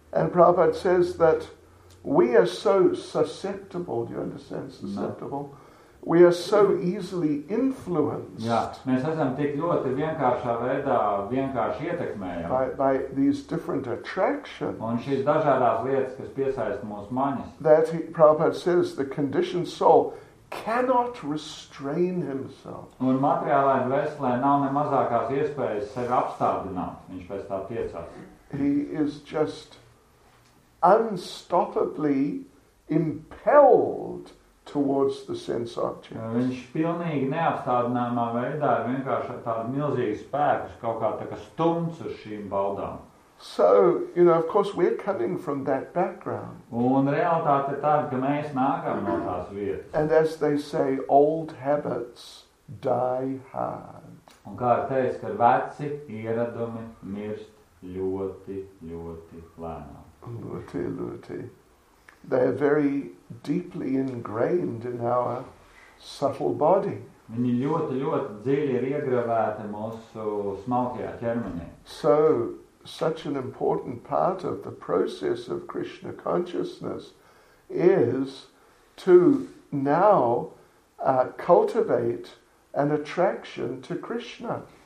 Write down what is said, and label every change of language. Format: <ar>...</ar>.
<en>And Prabhupāda says that we are so susceptible, do you understand, susceptible? No. We are so easily influenced.</en> <lv>Jā, mēs esam tik ļoti vienkāršā veidā vienkārši ietekmējami.</lv> <en>By these different attractions.</en> <lv>Un šīs dažādās lietas, kas piesaista mūsu maņas.</lv> <en>That Prabhupāda says the conditioned soul cannot restrain himself.</en> <lv>Un materiālajai dvēselē nav ne mazākās iespējas sevi apstādināt. Viņš pēc tā tiecās.</lv> <en>He is just unstoppably impelled towards the sense object.</en> <lv>Viņš pilnīgi neapstādināmā veidā ir vienkārši tāds milzīgs spēks, kaut kā tā kā stumts uz šīm baudām.</lv> <en>So, you know, of course we're coming from that background.</en> <lv>Un realitāte tā, ka mēs nākam no tās vietas.</lv> <en>And as they say, old habits die hard.</en> <lv>Un kā ir teicis, ka veci ieradumi mirst ļoti, ļoti lēnām. Ļoti, ļoti.</lv> <en>They are very deeply ingrained in our subtle body.</en> <lv>Viņi ļoti, ļoti dziļi ir iegravēti mūsu smalkajā ķermenī.</lv> <en>So, such an important part of the process of Krishna consciousness is to now cultivate an attraction to Krishna.</en>